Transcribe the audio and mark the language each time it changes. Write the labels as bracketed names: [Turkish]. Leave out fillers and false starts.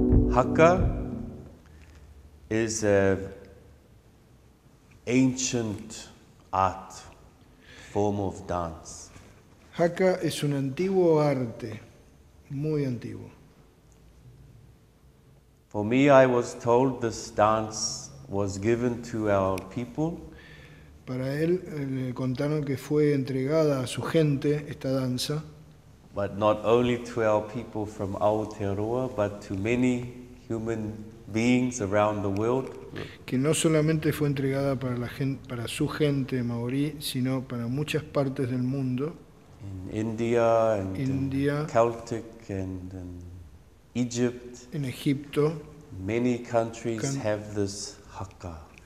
[English] Hakka is an ancient art, form of dance. [Spanish] Hakka es un antiguo arte, muy antiguo. [English] For me, I was told this dance was given to our people. [Spanish] Para él, le contaron que fue entregada a su gente esta danza. [English] But not only to our people from Aotearoa, but to many human beings around the world. [Spanish] Que no solamente fue entregada para la gente, para su gente maorí, sino para muchas partes del mundo. [English] In India and India, in Celtic and in Egypt. [Spanish] En Egipto. [English] Many countries have this Hakka.